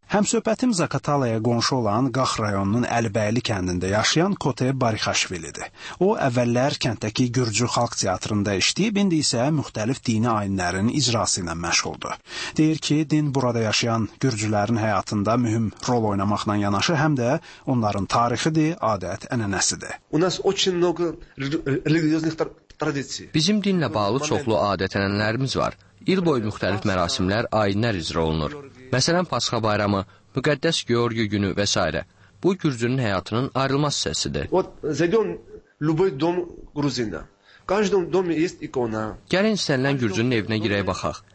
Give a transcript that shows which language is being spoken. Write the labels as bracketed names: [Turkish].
[Azerbaijani] Həmsöhbətim Zakatalaya qonşu olan Qax rayonunun Əlibəyli kəndində yaşayan Kote Barixaşvilidir. O, əvvəllər kənddəki Gürcü Xalq Teatrında işləyib, indi isə müxtəlif dini ayinlərin icrası ilə məşğuldur. Deyir ki, din burada yaşayan gürcülərin həyatında mühüm rol oynamaqla yanaşı, həm də onların tarixidir, adət, ənənəsidir. [Russian] У нас очень много религиозных традиций. [Azerbaijani] Bizim dinlə bağlı çoxlu adət-ənənələrimiz var. İl boyu müxtəlif mərasimlər, ayinlər icra olunur. Məsələn, Pasxa bayramı, müqəddəs Georgi günü və s. Bu, gürcünün həyatının ayrılmaz hissəsidir. Gəlin, istənilən gürcünün evinə girək baxaq.